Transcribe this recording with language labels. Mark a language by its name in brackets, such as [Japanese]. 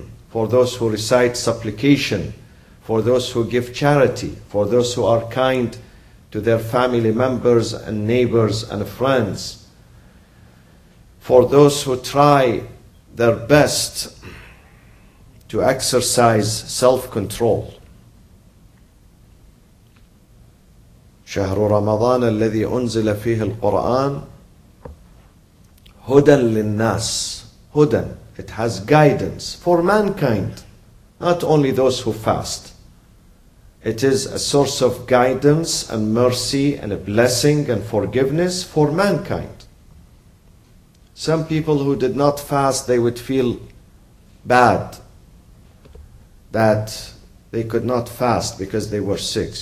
[English] for those who recite supplication, for those who give charity, for those who are kind to their family members and neighbors and friends, for those who try their best to exercise self-control. [Arabic] شهر رمضان الذي أنزل فيه القرآن هدى للناس. [English] هدى, it has guidance for mankind, not only those who fast. It is a source of guidance and mercy and a blessing and forgiveness for mankind. Some people who did not fast, they would feel bad that they could not fast because they were sick.